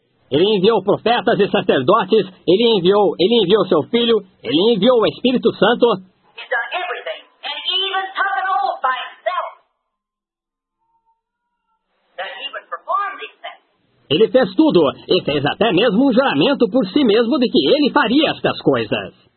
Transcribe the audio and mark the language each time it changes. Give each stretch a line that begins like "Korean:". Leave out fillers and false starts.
Portuguese: Ele enviou profetas e sacerdotes, ele enviou seu filho, ele enviou o Espírito Santo.
English: He's done everything, and even took it all by himself, that he would perform these things.
Portuguese: Ele fez tudo e fez até mesmo um juramento por si mesmo de que ele faria estas coisas.